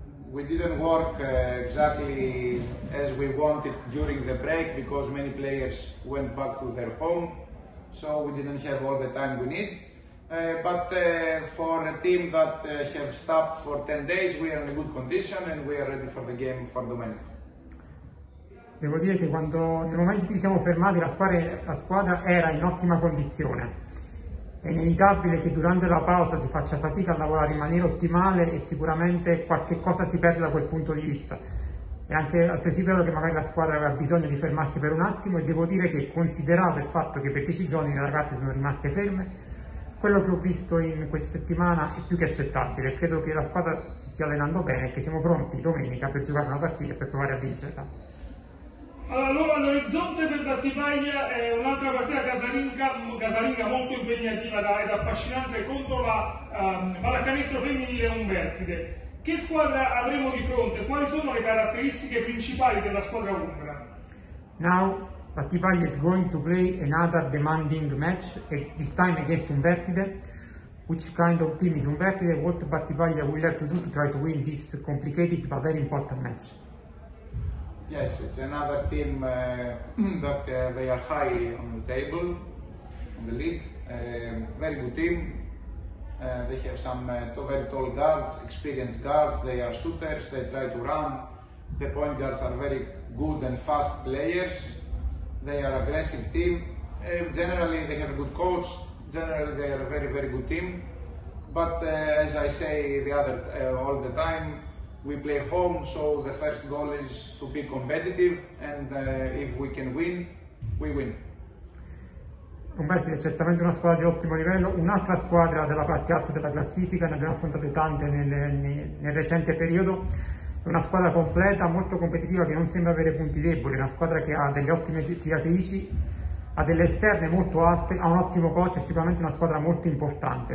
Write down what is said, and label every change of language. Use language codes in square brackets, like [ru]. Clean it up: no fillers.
[en] We didn't work exactly as we wanted during the break because many players went back to their home, so we didn't have all the time we need. But for a team that have stopped for 10 days, we are in a good condition and we are ready for the game for domenica. [it] Devo dire che quando, nel momento in cui siamo fermati, la squadra era in ottima condizione. È inevitabile che durante la pausa si faccia fatica a lavorare in maniera ottimale e sicuramente qualche cosa si perde da quel punto di vista. È anche altresì vero che magari la squadra aveva bisogno di fermarsi per un attimo e devo dire che, considerato il fatto che per 10 giorni le ragazze sono rimaste ferme, quello che ho visto in questa settimana è più che accettabile. Credo che la squadra si stia allenando bene e che siamo pronti domenica per giocare una partita e per provare a vincerla. Allora, l'orizzonte per Battipaglia è un'altra partita casalinga molto impegnativa ed affascinante contro la pallacanestro femminile Umbertide. Che squadra avremo di fronte? Quali sono le caratteristiche principali della squadra umbra? [en] Now, Battipaglia is going to play another demanding match, this time against Umbertide. Which kind of team is Umbertide? What Battipaglia will have to do to try to win this complicated but very important match? Yes, it's another team that they are high on the table, on the league. Very good team. They have some very tall guards, experienced guards. They are shooters. They try to run. The point guards are very good and fast players. They are aggressive team. Generally, they have a good coach. Generally, they are a very, very good team. But as I say the other all the time, we play home, so the first goal is to be competitive, and if we can win, we win. [it] Umbertide è certamente una squadra di ottimo livello, un'altra squadra della parte alta della classifica, ne abbiamo affrontate tante nel recente periodo. È una squadra completa, molto competitiva, che non sembra avere punti deboli, è una squadra che ha delle ottime tiratrici, ha delle esterne molto alte, ha un ottimo coach, è sicuramente una squadra molto importante.